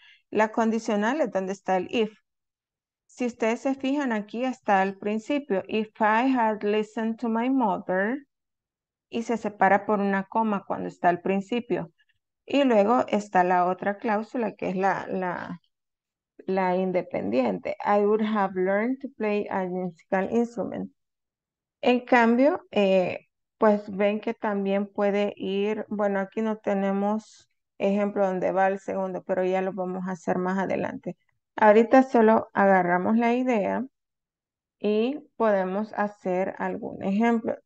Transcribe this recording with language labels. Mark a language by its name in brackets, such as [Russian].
[Spanish] La condicional es donde está el if. Si ustedes se fijan aquí, está al principio. [English] If I had listened to my mother. [Spanish] Y se separa por una coma cuando está al principio. Y luego está la otra cláusula, que es la independiente. [English] I would have learned to play a musical instrument. [Spanish] En cambio, pues ven que también puede ir. Bueno, aquí no tenemos ejemplo donde va el segundo, pero ya lo vamos a hacer más adelante. Ahorita solo agarramos la idea y podemos hacer algún ejemplo.